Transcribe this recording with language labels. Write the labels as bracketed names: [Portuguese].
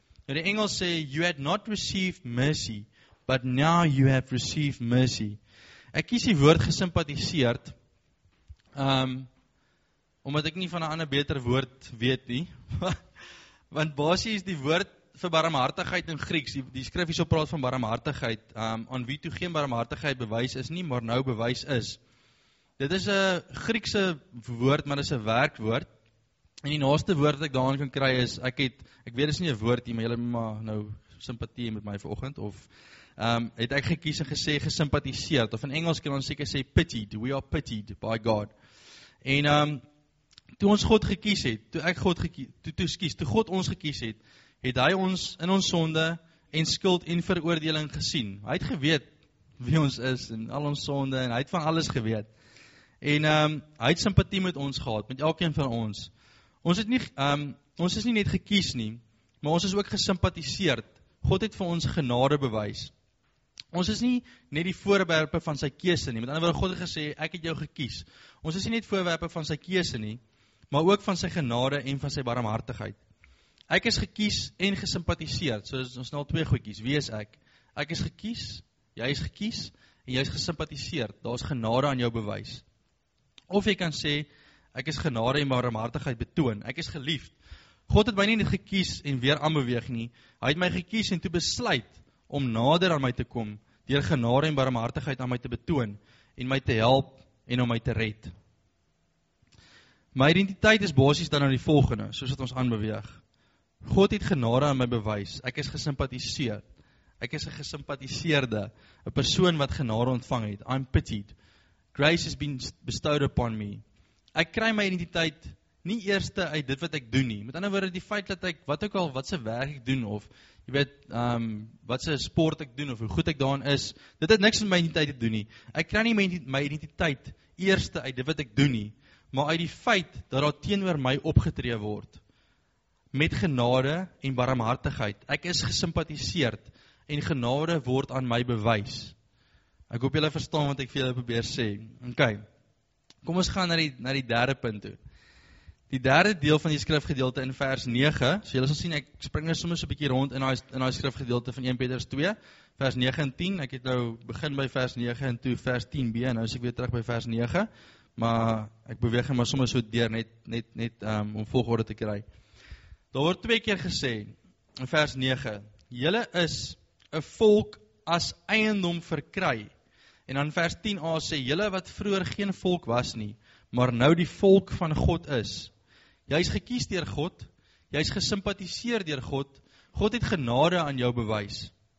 [Afrikaans] Nou die Engels sê, [English] you had not received mercy, but now you have received mercy. [Afrikaans] Ek kies die woord gesimpatiseerd, omdat ek nie van 'n ander beter woord weet nie, want basies die woord vir barmhartigheid in Grieks, die skrif hierso praat van barmhartigheid, aan wie toe geen barmhartigheid bewys is nie, maar nou bewys is. Dit is 'n Griekse woord, maar dit is 'n werkwoord. En die naaste woord wat ek daarin kan kry is, ek weet dit is nie 'n woord nie, maar julle maar nou simpatie met my vanoggend, of het ek gekies en gesê gesimpatiseerd, of in Engels kan ons seker sê [English] pitied, we are pitied by God. [Afrikaans] En toe ons God gekies het, toe God ons gekies het, het hy ons in ons sonde en skuld en veroordeling gesien. Hy het geweet wie ons is en al ons sonde en hy het van alles geweet. En hy het sympathie met ons gehad, met elkeen van ons. Ons is nie net gekies nie, maar ons is ook gesympathiseerd. God het vir ons genade bewys. Ons is nie net die voorwerpe van sy keuse nie, met ander woorde God het gesê, ek het jou gekies. Ons is nie net voorwerpe van sy keuse nie, maar ook van sy genade en van sy barmhartigheid. Ek is gekies en gesympathiseerd, so is ons nou al twee goedjies, wie is ek? Ek is gekies, jy is gekies, en jy is gesympathiseerd, daar is genade aan jou bewys. Of jy kan sê, ek is genade en barmhartigheid betoon, ek is geliefd. God het my nie net gekies en weer aanbeweeg nie, hy het my gekies en toe besluit om nader aan my te kom, deur genade en barmhartigheid aan my te betoon, en my te help en om my te red. My identiteit is basies dan aan die volgende, soos het ons aanbeweeg. God het genade aan my bewys, ek is gesimpatiseerd. Ek is 'n gesimpatiseerde, 'n persoon wat genade ontvang het, [English] I'm pitied. Grace has been bestowed upon me. [Afrikaans] Ek kry my identiteit nie eerste uit dit wat ek doen nie. Met ander woorde, die feit dat ek, wat ook al, wat se werk ek doen, of, jy weet, wat se sport ek doen, of hoe goed ek daarin is, dit het niks met my identiteit te doen nie. Ek kry nie my identiteit eerste uit dit wat ek doen nie, maar uit die feit dat daar teenoor my opgetree word, met genade en barmhartigheid. Ek is gesimpatiseerd, en genade word aan my bewys. Ek hoop julle verstaan wat ek vir julle probeer sê. Ok, kom ons gaan na die derde punt toe. Die derde deel van die skrifgedeelte in vers 9, so julle sal sien, ek spring nou soms 'n bietjie rond in die skrifgedeelte van 1 Petrus 2, vers 9 en 10, ek het nou begin by vers 9 en toe vers 10b, en nou is ek weer terug by vers 9, maar ek beweeg hom maar soms so deur net om volgorde te kry. Daar word twee keer gesê, in vers 9, julle is 'n volk as eiendom verkry. En dan vers 10a sê, julle wat vroeger geen volk was nie, maar nou die volk van God is. Jy is gekies deur God, jy is gesimpatiseer deur God, God het genade aan jou bewys.